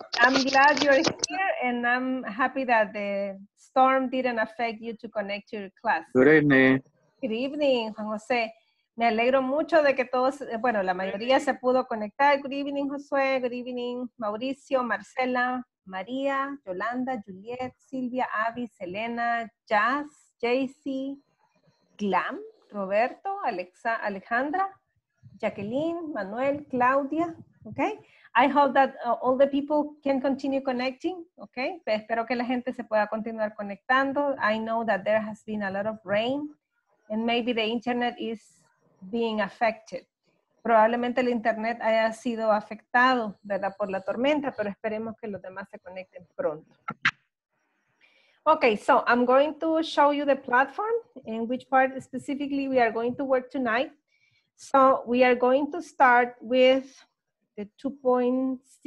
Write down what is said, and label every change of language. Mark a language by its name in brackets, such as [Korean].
[English] I'm glad you're here and I'm happy that the storm didn't affect you to connect to your class. Good evening. Good evening, Juan José. [Spanish] Me alegro mucho de que todos, bueno, la mayoría se pudo conectar. [English] Good evening, Josué. Good evening, Mauricio, Marcela, María, Yolanda, Juliet, Silvia, Abby, Selena, Jazz, JC, Glam, Roberto, Alexa, Alejandra, Jacqueline, Manuel, Claudia, okay? I hope that all the people can continue connecting, okay? [Spanish] Pero espero que la gente se pueda continuar conectando. [English] I know that there has been a lot of rain and maybe the internet is being affected. [Spanish] Probablemente el internet haya sido afectado, ¿verdad?, por la tormenta, pero esperemos que los demás se conecten pronto. [English] Okay, so I'm going to show you the platform in which part specifically we are going to work tonight. So we are going to start with the 2.6.